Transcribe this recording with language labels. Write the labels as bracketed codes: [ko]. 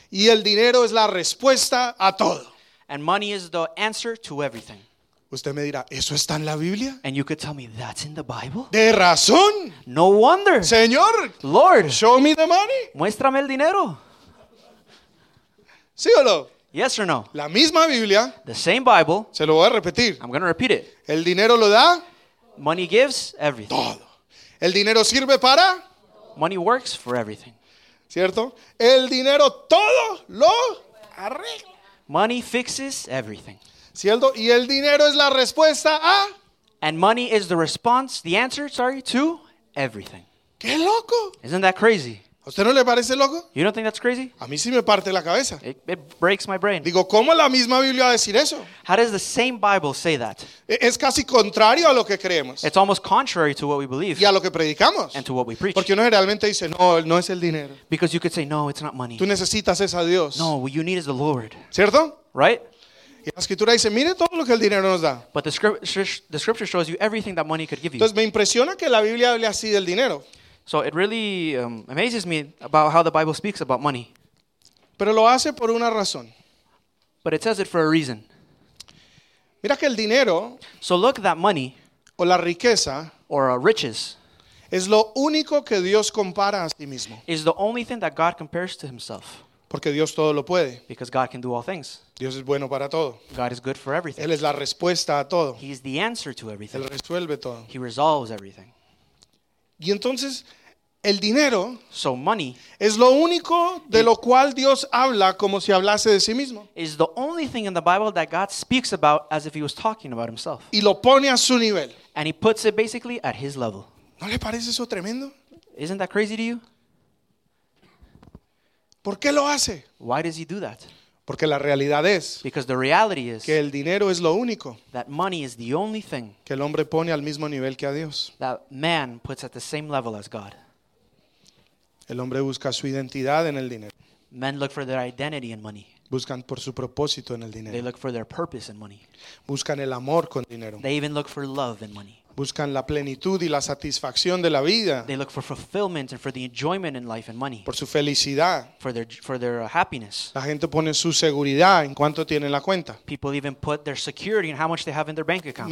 [es] Y el dinero es la respuesta a todo. [en] And money is the answer to everything. [es] Usted me dirá, ¿eso está en la Biblia? [en] And you could tell me, that's in the Bible? [es] De razón. [en] No wonder. [es] Señor. [en] Lord. Show me the money. [es] Muéstrame el dinero. ¿Sí o no? [en] Yes or no? [es] La misma Biblia. [en] The same Bible. [es] Se lo voy a repetir. [en] I'm going to repeat it. [es] El dinero lo da. [en] Money gives everything. [es] Todo. El dinero sirve para. [en] Money works for everything. [es] ¿Cierto? El dinero todo lo arregla. [en] Money fixes everything. [es] ¿Cierto? Y el dinero es la respuesta a. [en] And money is the response, the answer, sorry, to everything. [es] ¡Qué loco! [en] Isn't that crazy? [es] ¿A usted no le parece loco? [en] You don't think that's crazy? [es] A mí sí me parte la cabeza. [en] It breaks my brain. [es] Digo, ¿cómo la misma Biblia va a decir eso? [en] How does the same Bible say that? [es] Es casi contrario a lo que creemos. [en] It's almost contrary to what we believe. [es] Y a lo que predicamos. [en] And to what we preach. [es] Porque uno generalmente dice, no, no es el dinero. [en] Because you could say, no, it's not money. [es] Tú necesitas es a Dios. [en] No, what you need is the Lord. [es] ¿Cierto? [en] Right? [es] Y la escritura dice, mire todo lo que el dinero nos da. [en] But the scripture shows you everything that money could give you. [es] Entonces me impresiona que la Biblia hable así del dinero. [en] So it really amazes me about how the Bible speaks about money. [es] Pero lo hace por una razón. [en] But it says it for a reason. [es] Mira que el dinero, [en] so look, that money, [es] o la riqueza, [en] or riches, [es] es lo único que Dios compara a sí mismo. [en] Is the only thing that God compares to himself. [es] Porque Dios todo lo puede. [en] Because God can do all things. [es] Dios es bueno para todo. [en] God is good for everything. [es] Él es la respuesta a todo. [en] He is the answer to everything. [es] Él resuelve todo. [en] He resolves everything. [es] Y entonces, el dinero, [en] so money, [es] es lo único de lo cual Dios habla como si hablase de sí mismo. [en] Is the only thing in the Bible that God speaks about as if he was talking about himself. [es] Y lo pone a su nivel. [en] And he puts it basically at his level. [es] ¿No le parece eso tremendo? [en] Isn't that crazy to you? [es] ¿Por qué lo hace? [en] Why does he do that? [es] Porque la realidad es, [en] because the reality is, [es] que el dinero es lo único, [en] that money is the only thing, [es] que el hombre pone al mismo nivel que a Dios, [en] that man puts at the same level as God. [es] El hombre busca su identidad en el dinero. [en] Men look for their identity in money. [es] Buscan por su propósito en el dinero. [en] They look for their purpose in money. [es] Buscan el amor con dinero. [en] They even look for love in money. [es] Buscan la plenitud y la satisfacción de la vida. [en] They look for fulfillment and for the enjoyment in life and money. [es] Por su felicidad. [en] For their happiness. [es] La gente pone su seguridad en cuánto tiene en la cuenta. [en] People even put their security in how much they have in their bank account.